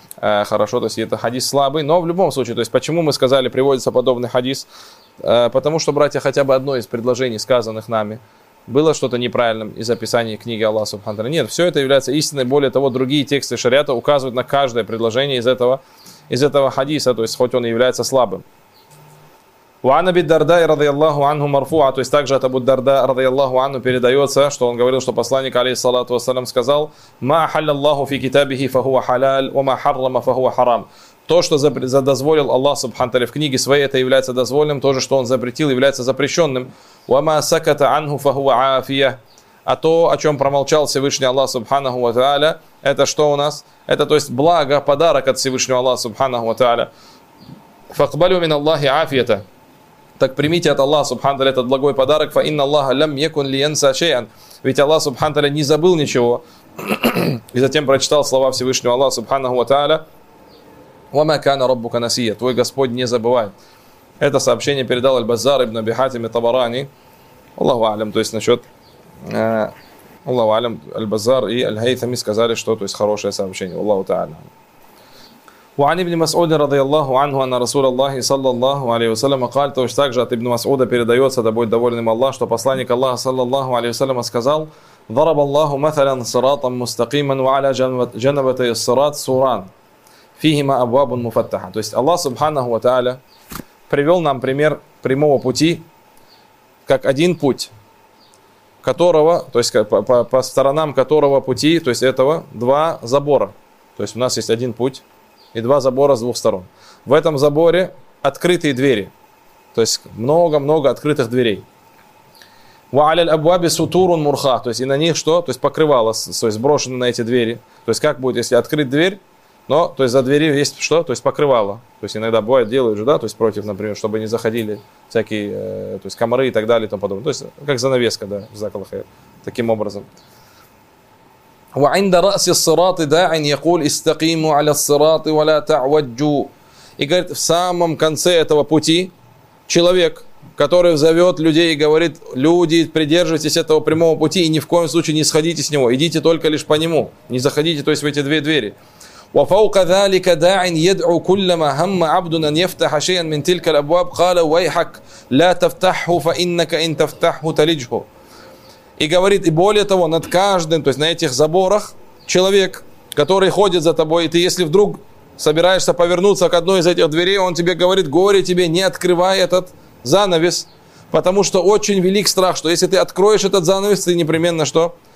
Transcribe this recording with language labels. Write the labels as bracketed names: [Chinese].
[Russian] Хорошо, то есть это хадис слабый. Но в любом случае, то есть почему мы сказали, приводится подобный хадис? Потому что, братья, хотя бы одно из предложений, сказанных нами, было что-то неправильным из описания книги Аллаха субхана тааля. Нет, все это является истиной. Более того, другие тексты шариата указывают на каждое предложение из этого хадиса, то есть хоть он и является слабым. [Arabic] وعن أبي الدرداء رضي الله عنه مرفوعة, [Russian] то есть также от Абу Дарда رضي الله عنه передается, что он говорил, что посланник عليه الصلاة والسلام сказал: [Arabic] ما حل الله في كتابه فهو حلال وما حرم فهو حرام. [Russian] То, что задозволил Аллах субхана тааля в книге своей, это является дозволенным, то же, что он запретил, является запрещенным. [Arabic] وما سكت عنه فهو عافية, [Russian] а то, о чем промолчал Всевышний Аллах субханаху ва тааля, это что у нас? Это, то есть, благо, подарок от Всевышнего Аллаха субханаху ва тааля. [Arabic] فاقبلوا من الله عافية, [Russian] так примите от Аллаха субхана тааля этот благой подарок. [Arabic] Фа инна Аллаха лям якун лиянса шайан, [Russian] ведь Аллах субхана тааля не забыл ничего. И затем прочитал слова Всевышнего Аллаха субханаху ва тааля: [Arabic] ва ма кана раббука насия, [Russian] твой Господь не забывает. Это сообщение передал аль-Базар ибн Аби Хатим ат-Табарани, Аллаху алям. То есть насчет Аллаху алям, аль-Базар и аль-Хайтами сказали, что, то есть, хорошее сообщение. Аллаху тааля. [Arabic] وعن ابن مسعود رضي الله عنه أن رسول الله صلى الله عليه وسلم قال, [Russian] то есть также от [Arabic] ابن مسعود [Russian] передается, да будет доволен им Аллах, что посланник Аллаха [Arabic] صلى الله عليه وسلم [Russian] сказал: [Arabic] ضرب الله مثلا صراطا مستقيما وعلى جنبتي الصراط سوران فيهما أبواب مفتحة. [Russian] То есть Аллах سبحانه وتعالى привел нам пример прямого пути, как один путь, которого, то есть по сторонам которого пути, то есть этого два забора. То есть у нас есть один путь и два забора с двух сторон. В этом заборе открытые двери. То есть много-много открытых дверей. [Arabic] وعلى الابواب سطور مرخاة. [Russian] То есть и на них что? То есть покрывало, то есть брошено на эти двери. То есть как будет, если открыть дверь, но, то есть за дверью есть что? То есть покрывало. То есть иногда бывает делают же, да, то есть против, например, чтобы не заходили всякие, то есть комары и так далее и тому подобное. То есть как занавеска, да, в заколах, таким образом. [Arabic] وعند رأس الصراط داع يقول استقيموا على الصراط ولا تعوجوا. [Russian] И говорит, в самом конце этого пути человек, который зовет людей и говорит: люди, придерживайтесь этого прямого пути и ни в коем случае не сходите с него, идите только лишь по нему, не заходите, то есть в эти две двери. [Arabic] وفوق ذلك داع يدعو كلما هم عبد أن يفتح شيئا من تلك الأبواب قال ويحك لا تفتحه فإنك إن تفتحه تلجه. [Russian] И говорит, и более того, над каждым, то есть на этих заборах, человек, который ходит за тобой, и ты, если вдруг собираешься повернуться к одной из этих дверей, он тебе говорит, горе тебе, не открывай этот занавес, потому что очень велик страх, что если ты откроешь этот занавес, ты непременно что?